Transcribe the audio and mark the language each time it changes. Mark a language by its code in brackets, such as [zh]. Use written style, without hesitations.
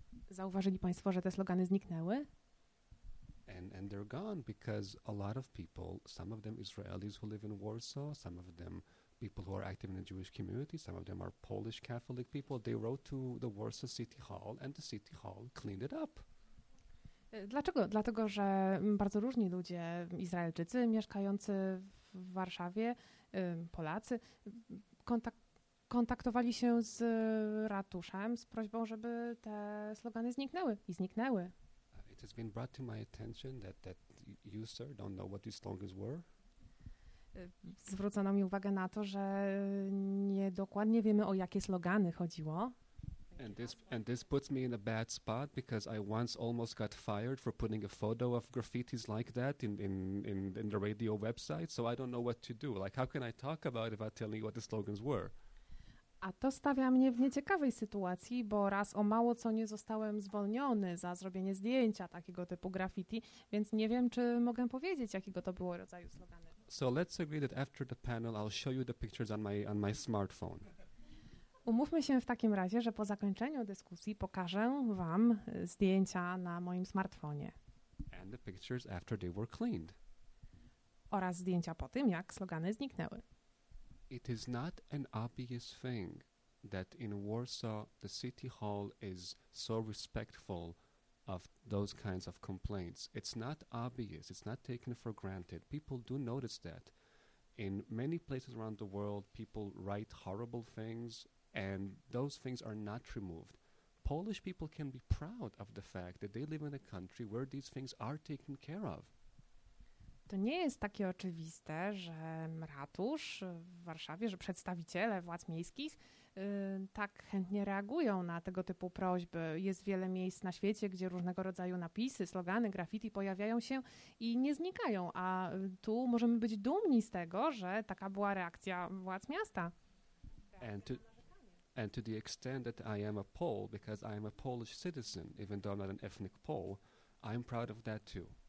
[pl] Zauważyli Państwo, że te slogany zniknęły? [en] And they're gone because a lot of people, some of them Israelis who live in Warsaw, some of them people who are active in the Jewish community, some of them are Polish Catholic people, they wrote to the Warsaw City Hall and the City Hall cleaned it up. [pl] Dlaczego? Dlatego, że bardzo różni ludzie, Izraelczycy mieszkający w Warszawie, Polacy, kontaktowali się z ratuszem z prośbą, żeby te slogany zniknęły. I zniknęły. [en] It has been brought to my attention that you, sir, don't know what these slogans were. [pl] Zwrócono mi uwagę na to, że niedokładnie wiemy, o jakie slogany chodziło. [en] And this puts me in a bad spot because I once almost got fired for putting a photo of graffitis like that in the radio website, so I don't know what to do. Like, how can I talk about it without telling you what the slogans were? [pl] A to stawia mnie w nieciekawej sytuacji, bo raz o mało co nie zostałem zwolniony za zrobienie zdjęcia takiego typu graffiti, więc nie wiem, czy mogę powiedzieć, jakiego to było rodzaju slogany. [en] So let's agree that after the panel I'll show you the pictures on my smartphone. [pl] Umówmy się w takim razie, że po zakończeniu dyskusji pokażę wam zdjęcia na moim smartfonie. [en] And the pictures after they were cleaned. [pl] Oraz zdjęcia po tym, jak slogany zniknęły. [en] It is not an obvious thing that in Warsaw the city hall is so respectful of those kinds of complaints. It's not obvious. It's not taken for granted. People do notice that. In many places around the world, people write horrible things, and those things are not removed. Polish people can be proud of the fact that they live in a country where these things are taken care of. [pl] To nie jest takie oczywiste, że ratusz w Warszawie, że przedstawiciele władz miejskich tak chętnie reagują na tego typu prośby. Jest wiele miejsc na świecie, gdzie różnego rodzaju napisy, slogany, graffiti pojawiają się i nie znikają. A tu możemy być dumni z tego, że taka była reakcja władz miasta. [en] And to the extent that I am a Pole, because I am a Polish citizen, even though I'm not an ethnic Pole, I'm proud of that too.